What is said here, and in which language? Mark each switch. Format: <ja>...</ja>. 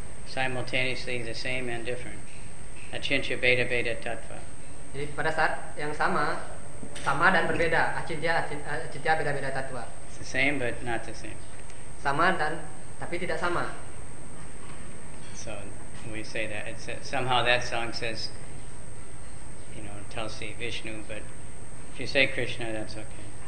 <en>Simultaneously the same and different.</en> <sa>Achintya Beda Beda Tattva.</sa> <id>Jadi pada saat yang sama, sama dan berbeda.</id> <sa>Achintya Beda Beda Tattva.</sa> <en>It's the same but not the same.</en> <id>Sama dan tapi tidak sama.</id> <en>So we say that it's somehow that song says, you know, Tulsi Vishnu, but if you say Krishna, that's okay.</en>